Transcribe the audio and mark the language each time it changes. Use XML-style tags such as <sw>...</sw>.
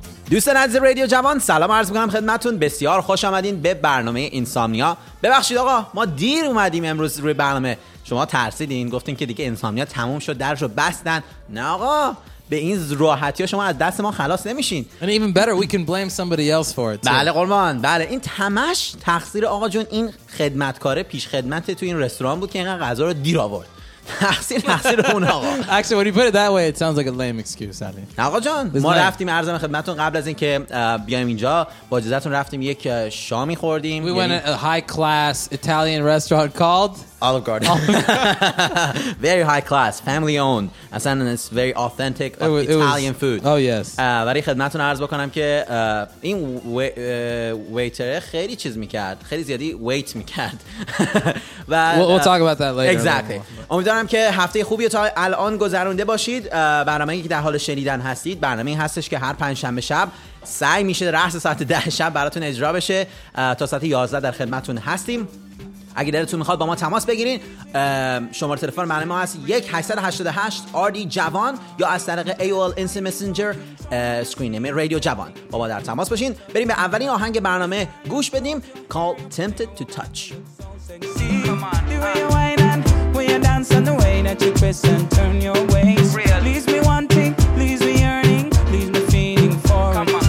<fa>دوستان عزیز رادیو جوان، سلام عرض میکنم خدمتون. بسیار خوش آمدین به برنامه انسامنیا. ببخشید آقا، ما دیر اومدیم امروز روی برنامه. شما ترسیدین، گفتین که دیگه انسامنیا تموم شد، درشو بستن. نه آقا، به این راحتی ها شما از دست ما خلاص نمیشین.</fa> <en>And even better, we can blame somebody else for it.</en> <fa>بله قربان، بله، این تمش تقصیر آقا جون این خدمتکار پیش خدمت تو این رستوران بود که اینقدر غذا رو دیر آورد.</fa> <en>Actually, when you put it that way, it sounds like a lame excuse, Ali.</en> <fa>آقا جان، ما رفتیم عرض خدمتتون قبل از اینکه بیایم اینجا، با اجازهتون رفتیم یک شامی خوردیم.</fa> <en>We went to a high class Italian restaurant called Olive Garden. Very high class, family owned. And it's very authentic Italian food. Oh yes.</en> <fa>برای خدمتتون عرض بکنم که این ویتر خیلی چیز می‌کرد. خیلی زیادی ویت می‌کرد.</fa> <en>We'll talk about that later. Exactly.</en> <fa>دارم که هفته خوبی تا الان گذرونده باشید. برنامه که در حال شنیدن هستید، برنامه این هستش که هر پنج شنبه شب سعی میشه رأس ساعت 10 شب براتون اجرا بشه. تا ساعت 11 در خدمتون هستیم. اگه دلتون میخواد با ما تماس بگیرین، شماره تلفن برنامه ما هست 1-888-RD-JAVON یا از طریق AOL Instant Messenger Screen Name Radio جوان. با ما در تماس باشین. بریم به اولین آهنگ برنامه گوش بدیم، Call Tempted to Touch.</fa> <en>On the way that you twist and turn your ways, please be wanting, please be yearning, please be feeling for come a taste.</en>